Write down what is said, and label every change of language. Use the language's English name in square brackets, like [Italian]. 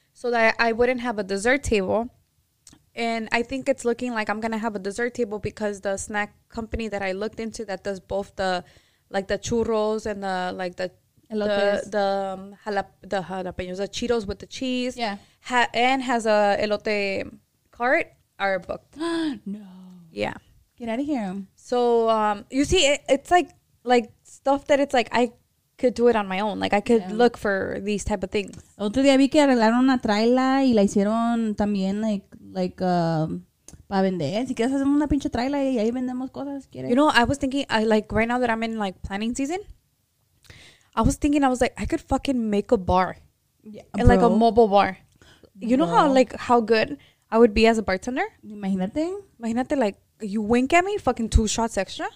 [English] so that I wouldn't have a dessert table. And I think it's looking like I'm going to have a dessert table because the snack company that I looked into that does both the, like, the churros and the, like, the jalapenos, the Cheetos with the cheese. Yeah. And has a elote cart are booked. No. Yeah. Get out of here. So, you see, it's like stuff that it's like I could do it on my own. Like, I could look for these type of things. [Spanish] Otro día vi que arreglaron una traila y la hicieron también, para vender. Si quieres hacer una pinche traila y ahí vendemos cosas, ¿quieres? [English] You know, I was thinking, right now that I'm in, planning season, I could fucking make a bar. Yeah, like, a mobile bar. You know how good I would be as a bartender? [Spanish] Imagínate, [English] you wink at me, fucking 2 shots extra.